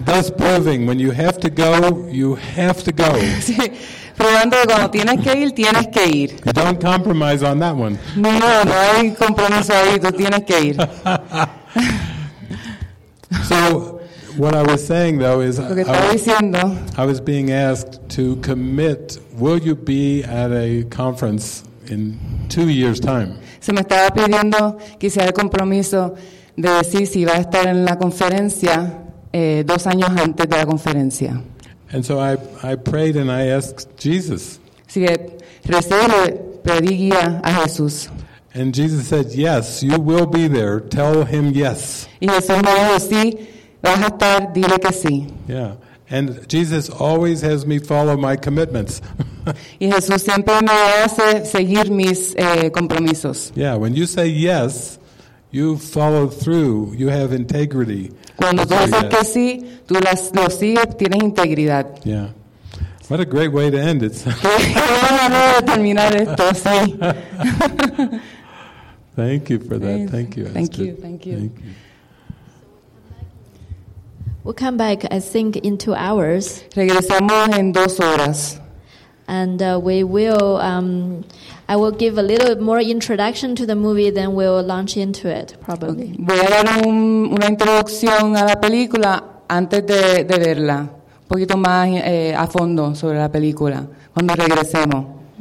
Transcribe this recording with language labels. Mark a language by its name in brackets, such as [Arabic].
[English] Thus proving, when you have to go, you have to go. [Spanish] Sí. Probando que cuando tienes que ir, tienes que ir. [English] Don't compromise on that one. [Spanish] No, no hay compromiso ahí, tú tienes que ir. [English] So, what I was saying though is, I was being asked to commit, will you be at a conference in 2 years' time? [Spanish] Se me estaba pidiendo que hiciera el compromiso de decir si va a estar en la conferencia 2 años antes de la conferencia. [English] And so I prayed and I asked Jesus. [Spanish] Sí, recé y pedí guía a Jesús. [English] And Jesus said, yes, you will be there. Tell him yes. [Spanish] Y Jesús me dijo, sí, vas a estar, dile que sí. [English] Yeah. And Jesus always has me follow my commitments. [Spanish] Y Jesús siempre me hace seguir mis compromisos. [English] Yeah, when you say yes, you follow through, you have integrity. [Spanish] Cuando tú dices que sí, tú lo sigues, tienes integridad. [English] Yeah. What a great way to end it. [Spanish] Qué buena manera de terminar esto, sí. [English] Thank you for that. Thank you. Thank you. Thank you. Thank you. We'll come back, I think, in 2 hours. [Spanish] Regresamos en 2 horas. [English] And we will, I will give a little more introduction to the movie, then we'll launch into it, probably. Okay. [Spanish] Voy a dar una introducción a la película antes de verla, un poquito más a fondo sobre la película, cuando regresemos.